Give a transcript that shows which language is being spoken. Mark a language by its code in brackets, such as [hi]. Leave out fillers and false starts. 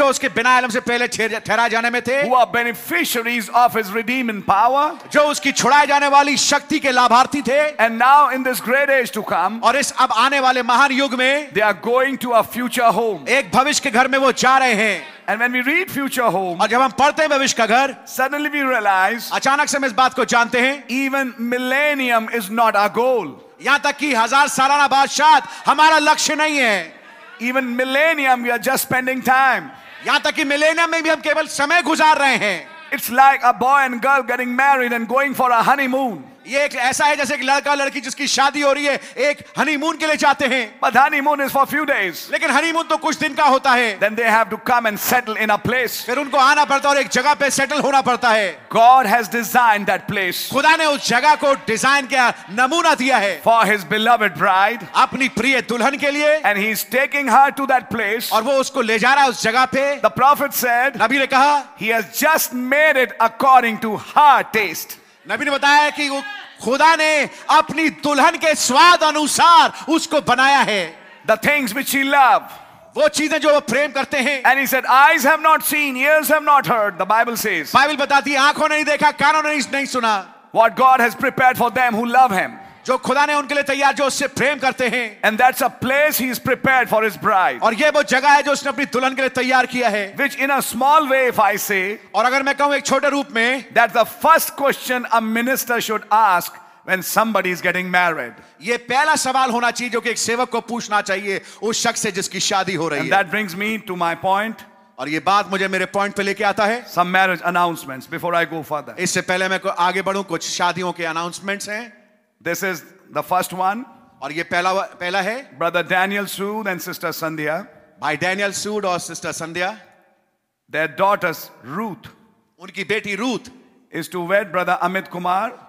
[hi] जो उसके बिना आलम से पहले ठहरा जाने में थे, [en] who are beneficiaries of his redeeming power, [hi] जो उसकी छुड़ाए जाने वाली शक्ति के लाभार्थी थे, [en] and now in this great age to come, [hi] और इस अब आने वाले महान युग में, [en] they are going to a future home, [hi] एक भविष्य के घर में वो जा रहे हैं. [en] And when we read future home, [hi] और जब हम पढ़ते हैं भविष्य का घर, [en] suddenly we realize, [hi] अचानक से हम इस बात को जानते हैं, [en] even millennium is not our goal, [hi] यहां तक कि हजार सालाना बादशाह हमारा लक्ष्य नहीं है. [en] Even millennium we are just spending time, [hi] यहां तक कि millennium में भी हम केवल समय गुजार रहे हैं. [en] It's like a boy and girl getting married and going for a honeymoon. [hi] ये एक ऐसा है जैसे एक लड़का लड़की जिसकी शादी हो रही है एक हनीमून के लिए जाते हैं. [en] But honeymoon is for few days. [hi] लेकिन हनीमून तो कुछ दिन का होता है. [en] Then they have to come and settle in a place. [hi] फिर उनको आना पड़ता है और एक जगह पे सेटल होना पड़ता है. [en] God has designed that place. [hi] खुदा ने उस जगह को डिजाइन किया नमूना दिया है. [en] For his beloved bride. [hi] अपनी प्रिय दुल्हन के लिए. [en] And he is taking her to that place. [hi] और वो उसको ले जा रहा है उस जगह पे. [en] The prophet said. [hi] नबी ने कहा. [en] He has just made it according to her taste. [hi] नबी ने बताया कि वो खुदा ने अपनी दुल्हन के स्वाद अनुसार उसको बनाया है. [en] The things which she loved, [hi] वो चीजें जो वो प्रेम करते हैं. [en] And he said, eyes have not seen, ears have not heard, the Bible says. [hi] Bible बताती है आंखों ने नहीं देखा कानों ने नहीं सुना. [en] What God has prepared for them who love him. [hi] जो खुदा ने उनके लिए तैयार जो उससे प्रेम करते हैं. [en] And that's a place he is prepared for his bride. [hi] और ये वो जगह है जो उसने अपनी दुल्हन के लिए तैयार किया है. [en] Which in a small way if I say, [hi] और अगर मैं कहूं एक छोटे रूप में, [en] that's the first question a minister should ask when somebody is getting married. [hi] ये पहला सवाल होना चाहिए जो कि एक सेवक को पूछना चाहिए उस शख्स से जिसकी शादी हो रही है. [en] And that brings me to my point. [hi] और ये बात मुझे मेरे पॉइंट पे लेके आता है. [en] Some marriage announcements before I go further. [hi] इससे पहले मैं आगे बढ़ू कुछ शादियों के अनाउंसमेंट है. [en] This is the first one. [hi] और ये पहला है. [en] Brother Daniel Sood and Sister Sandhya. By Daniel Sood or Sister Sandhya. Their daughters Ruth. [hi] उनकी बेटी Ruth. [en] Is to wed Brother Amit Kumar.